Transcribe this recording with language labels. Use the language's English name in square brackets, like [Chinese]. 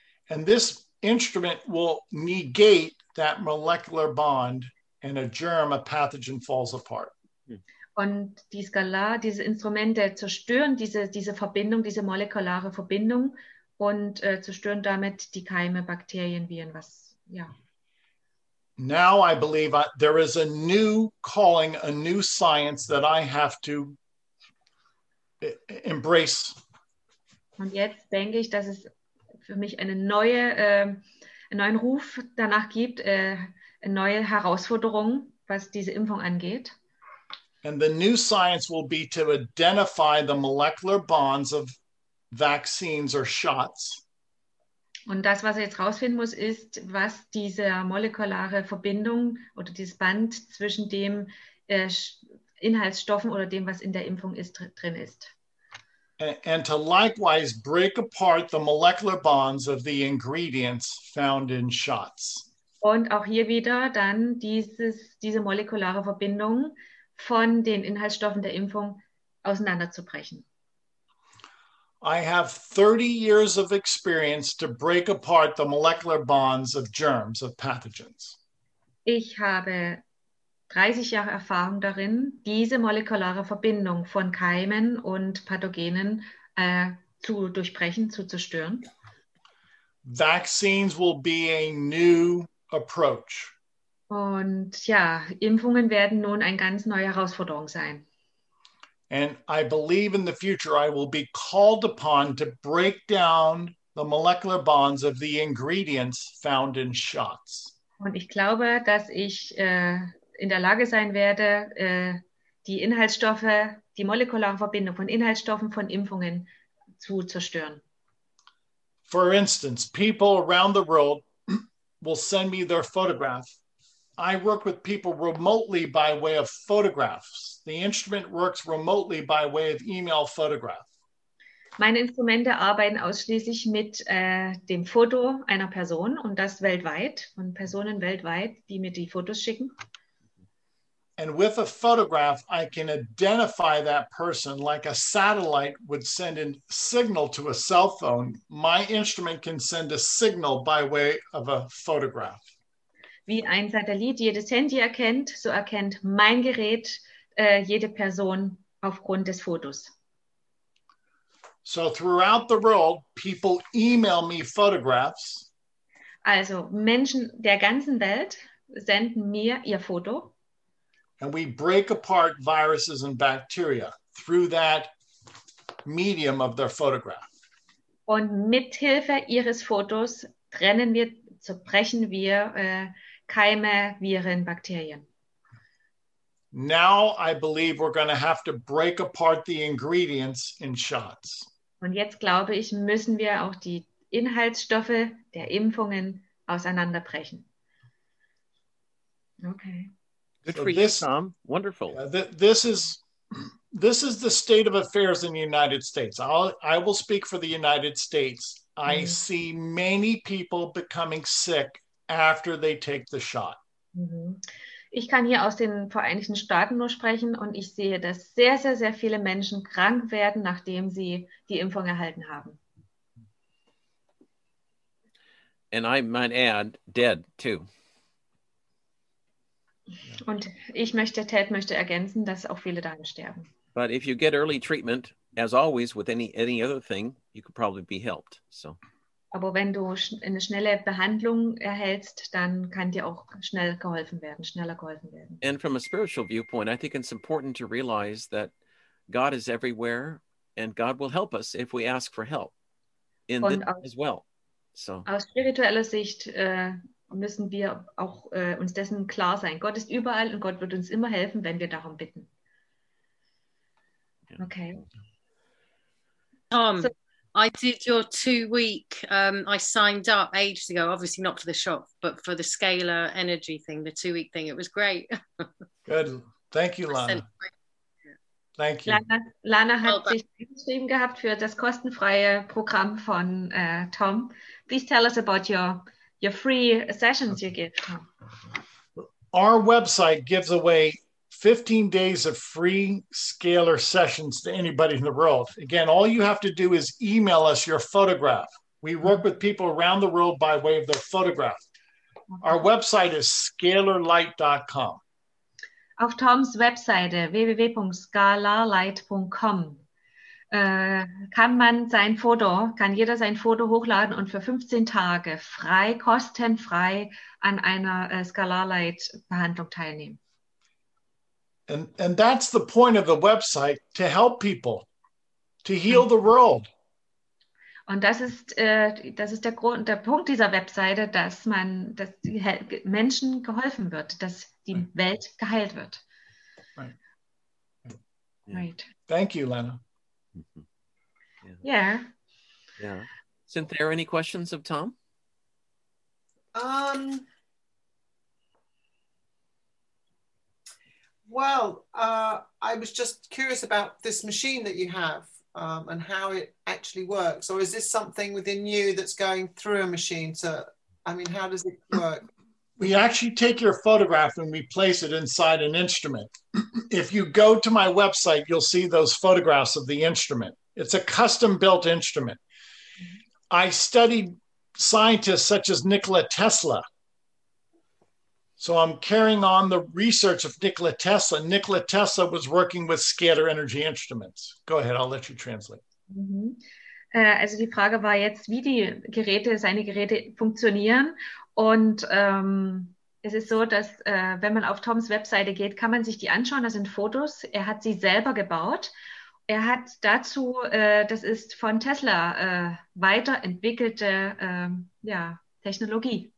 [English] And this instrument will negate that molecular bond and a germ, a pathogen falls apart. [German] Und die Skalar, diese Instrumente zerstören diese Verbindung, diese molekulare Verbindung und zerstören damit die Keime, Bakterien, Viren, was, ja. [English] Now I believe there is a new calling, a new science that I have to embrace. [German] Und jetzt denke ich, dass es für mich eine neue, einen neuen Ruf danach gibt, eine neue Herausforderung, was diese Impfung angeht. [English] And the new science will be to identify the molecular bonds of vaccines or shots. [German] Und das, was er jetzt rausfinden muss, ist, was diese molekulare Verbindung oder dieses Band zwischen dem Inhaltsstoffen oder dem, was in der Impfung ist, drin ist. [English] And to likewise break apart the molecular bonds of the ingredients found in shots. [German] Und auch hier wieder dann diese molekulare Verbindung von den Inhaltsstoffen der Impfung auseinanderzubrechen. [English] I have 30 years of experience to break apart the molecular bonds of germs, of pathogens. [German] Ich habe 30 Jahre Erfahrung darin, diese molekulare Verbindung von Keimen und Pathogenen zu durchbrechen, zu zerstören. [English] Vaccines will be a new approach. [German] Und ja, Impfungen werden nun eine ganz neue Herausforderung sein. [English] And I believe in the future I will be called upon to break down the molecular bonds of the ingredients found in shots. [German] Und ich glaube, dass ich in der Lage sein werde, die Inhaltsstoffe, die molekulare Verbindung von Inhaltsstoffen von Impfungen zu zerstören. [English] For instance, people around the world will send me their photograph. I work with people remotely by way of photographs. The instrument works remotely by way of email photograph. [German] Meine Instrumente arbeiten ausschließlich mit dem Foto einer Person und das weltweit, von Personen weltweit, die mir die Fotos schicken. [English] And with a photograph, I can identify that person like a satellite would send a signal to a cell phone. My instrument can send a signal by way of a photograph. [German] Wie ein Satellit jedes Handy erkennt, so erkennt mein Gerät jede Person aufgrund des Fotos. [English] So throughout the world, people email me photographs. [German] Also Menschen der ganzen Welt senden mir ihr Foto. [English] And we break apart viruses and bacteria through that medium of their photograph. [German] Und mithilfe ihres Fotos trennen wir, zerbrechen wir Keime, Viren, Bakterien. [English] Now I believe we're going to have to break apart the ingredients in shots. [German] Und jetzt glaube ich, müssen wir auch die Inhaltsstoffe der Impfungen auseinanderbrechen. [English] Okay. Good for you, Tom. Wonderful. This is the state of affairs in the United States. I will speak for the United States. I see many people becoming sick after they take the shot. [German] Ich kann hier aus den Vereinigten Staaten nur sprechen und ich sehe, dass sehr, sehr, sehr viele Menschen krank werden, nachdem sie die Impfung erhalten haben. [English] And I might add, dead too. [German] Und ich möchte, Ted möchte ergänzen, dass auch viele daran sterben. [English] But if you get early treatment, as always with any other thing, you could probably be helped, so. [German] Aber wenn du eine schnelle Behandlung erhältst, dann kann dir auch schnell geholfen werden, schneller geholfen werden. [English] And from a spiritual viewpoint, I think it's important to realize that God is everywhere and God will help us if we ask for help in this as well. So. [German] Aus spiritueller Sicht müssen wir auch uns dessen klar sein. Gott ist überall und Gott wird uns immer helfen, wenn wir darum bitten. [English] Okay. I did your 2 week, I signed up ages ago, obviously not for the shop, but for the scalar energy thing, the 2 week thing. It was great. Good. Thank you, Lana. Thank you. [German] Lana hat sich geschrieben gehabt für das kostenfreie Programm von Tom. [English] Please tell us about your free sessions you give. Our website gives away 15 days of free Scalar sessions to anybody in the world. Again, all you have to do is email us your photograph. We work with people around the world by way of their photograph. Our website is scalarlight.com. [German] Auf Toms Webseite www.scalarlight.com kann man sein Foto, kann jeder sein Foto hochladen und für 15 Tage frei, kostenfrei an einer Scalarlight-Behandlung teilnehmen. [English] And that's the point of the website, to help people, to heal the world. [German] Und das ist der Grund, der Punkt dieser Webseite, dass die Menschen geholfen wird, dass die Welt geheilt wird. [English] Right. Thank you, Lana. Mm-hmm. Yeah. Yeah. Cynthia, there any questions of Tom? I was just curious about this machine that you have and how it actually works. Or is this something within you that's going through a machine? How does it work? We actually take your photograph and we place it inside an instrument. If you go to my website, you'll see those photographs of the instrument. It's a custom-built instrument. I studied scientists such as Nikola Tesla. So I'm carrying on the research of Nikola Tesla. Nikola Tesla was working with scalar energy instruments. Go ahead, I'll let you translate. Mm-hmm. [German] Also die Frage war jetzt, wie die Geräte, seine Geräte funktionieren. Und es ist so, dass wenn man auf Toms Webseite geht, kann man sich die anschauen. Das sind Fotos. Er hat sie selber gebaut. Er hat dazu, das ist von Tesla weiterentwickelte Technologie.